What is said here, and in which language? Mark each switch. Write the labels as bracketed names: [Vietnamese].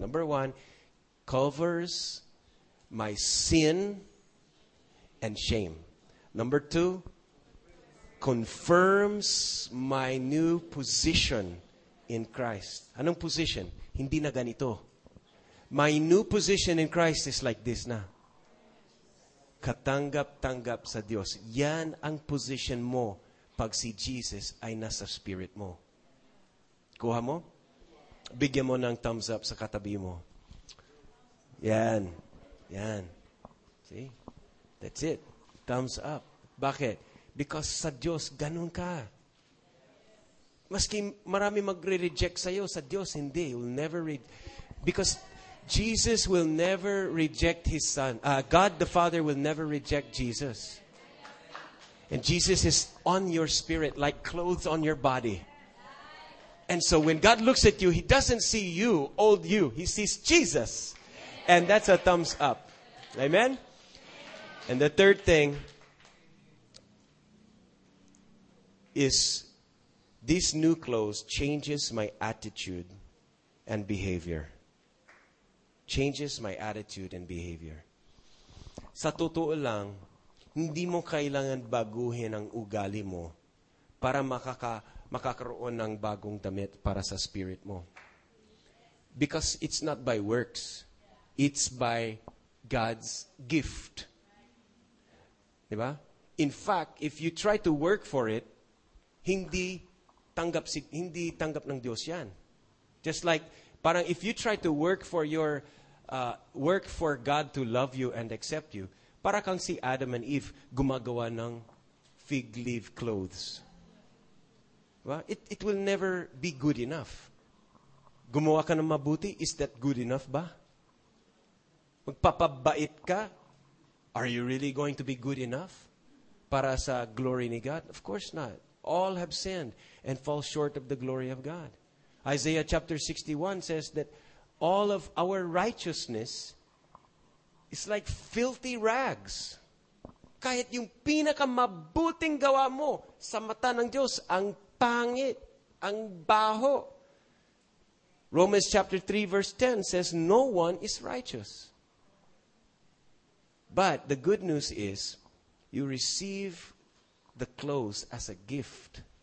[English] Number one, covers my sin and shame. Number two, confirms my new position in Christ. [Filipino] Anong position? Hindi na ganito. [English] My new position in Christ is like this na. [Filipino] Katanggap-tanggap sa Diyos. Yan ang position mo pag si Jesus ay nasa spirit mo. Kuha mo? Bigyan mo ng thumbs up sa katabi mo. Yan. Yan. [English] See? That's it. Thumbs up. [Filipino] Bakit? Because sa Diyos, ganun ka. Maski marami magre-reject sa'yo, sa Diyos, hindi. [English] You'll never because Jesus will never reject His Son. God the Father will never reject Jesus. And Jesus is on your spirit like clothes on your body. And so when God looks at you, He doesn't see you, old you. He sees Jesus. And that's a thumbs up. Amen? And the third thing is these new clothes changes my attitude and behavior. Changes my attitude and behavior. [Filipino] Sa totoo lang, hindi mo kailangan baguhin ang ugali mo para makakaroon ng bagong damit para sa spirit mo. [English] Because it's not by works. It's by God's gift. [Filipino] Diba? [English] In fact, if you try to work for it, [Filipino] hindi tanggap ng Diyos yan. [English] Just like, parang if you try to work for your work for God to love you and accept you, [Filipino] para kang si Adam and Eve gumagawa ng [English] fig leaf clothes. Well, it will never be good enough. [Filipino] Gumawa ka ng mabuti, [English] is that good enough ba? [Filipino] Magpapabait ka, [English] are you really going to be good enough [Filipino] para sa glory ni God? [English] Of course not. All have sinned and fall short of the glory of God. Isaiah chapter 61 says that all of our righteousness is like filthy rags. [Filipino] Kahit yung pinakamabuting gawa mo sa mata ng Diyos, ang pangit, ang baho. [English] Romans chapter 3 verse 10 says, no one is righteous. But the good news is, you receive the clothes as a gift.